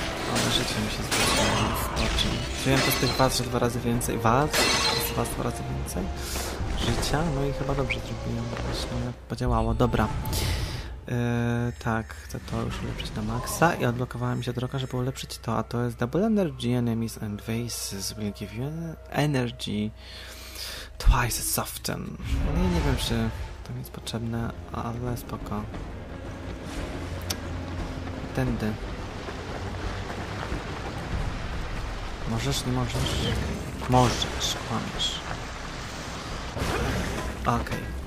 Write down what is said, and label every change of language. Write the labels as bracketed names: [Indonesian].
[Polish] Ale życie mi się zbliżało. Wiem to z tych was, że dwa razy więcej. Was? Z was dwa razy więcej? Życia? No i chyba dobrze zrobiłem. Właśnie podziałało. Dobra. Tak. Chcę to już ulepszyć na maksa. I odblokowała mi się droga, żeby ulepszyć to. A to jest [English] Double Energy, Enemies and Vases will give you energy twice as often. [Polish] No i nie wiem, czy to jest potrzebne, ale spoko. Tędy. Możesz, nie możesz? Możesz, kłamiesz. Okej. Okay.